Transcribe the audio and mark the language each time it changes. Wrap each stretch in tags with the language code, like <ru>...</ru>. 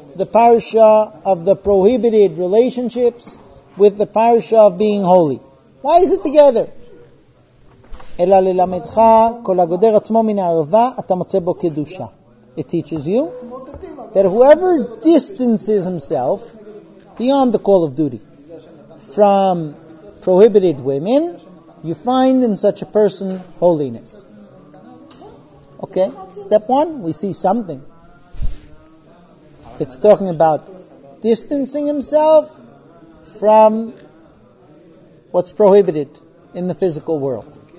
<en>the parasha of the prohibited relationships with the parasha of being holy. Why is it together?</en> <he>אלא ללמדך כל הגודר עצמו מן הערבה אתה מוצא בו קדושה.</he> <en>It teaches you that whoever distances himself beyond the call of duty from prohibited women, you find in such a person holiness. Okay, step one, we see something. It's talking about distancing himself from what's prohibited in the physical world.</en>